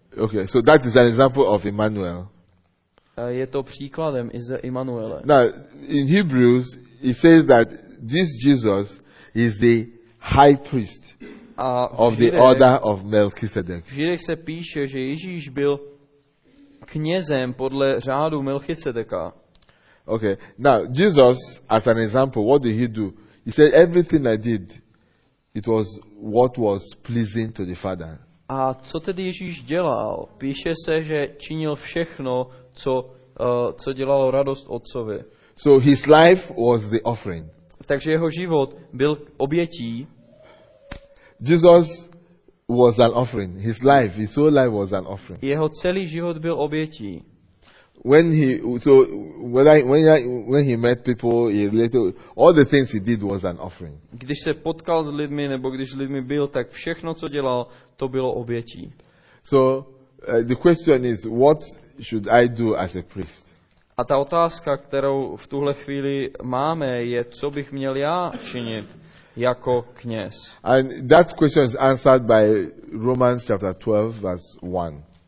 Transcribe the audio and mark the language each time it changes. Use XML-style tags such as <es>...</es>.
<en>Okay, so that is an example of Emmanuel.</en> <cs>Je to příkladem z Immanuele.</cs> <en>Now, in Hebrews, it says that this Jesus is the high priest of the order of Melchizedek.</en> <cs>V Židech se píše, že Ježíš byl knězem podle řádu Melchizedeka.</cs> <en>Okay. Now, Jesus, as an example, what did he do? He said, everything I did, it was what was pleasing to the Father.</en> <cs>A co tedy Ježíš dělal? Píše se, že činil všechno, co dělalo radost Otcovi.</cs> <en>So his life was the offering.</en> <cs>Takže jeho život byl obětí.</cs> <en>Jesus was an offering. His life, his whole life was an offering.</en> <cs>Jeho celý život byl obětí.</cs> <en>When he met people, he related all the things he did was an offering.</en> <cs>Když se potkal s lidmi nebo když s lidmi byl, tak všechno, co dělal, to bylo obětí.</cs> <en>So the question is, what should I do as a priest?</en> <cs>A ta otázka, kterou v tuhle chvíli máme, je, co bych měl já činit jako kněz.</cs> <en>And that question is answered by Romans chapter 12, verse 1.</en>